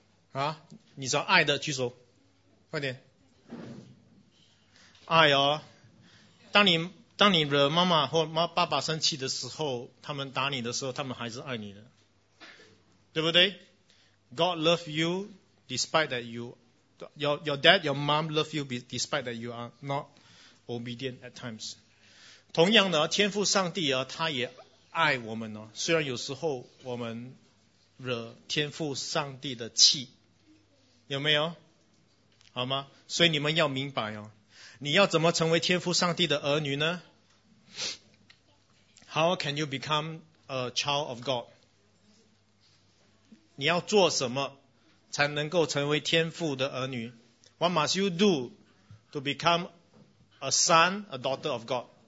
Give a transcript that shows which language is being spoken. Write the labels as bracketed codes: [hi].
[zh] 啊，你说爱的举手快点。爱哦，当你惹妈妈或爸爸生气的时候，他们打你的时候，他们还是爱你的，对不对？ [en] God love you despite that your dad, your mom love you despite that you are not obedient at times. [zh] 同样的，天父上帝啊，他也爱我们哦。虽然有时候我们惹天父上帝的气，有没有？好吗？所以你们要明白哦，你要怎么成为天父上帝的儿女呢？ [en] How can you become a child of God? [zh] 你要做什么才能够成为天父的儿女？ [en] What must you do to become a son, a daughter of God?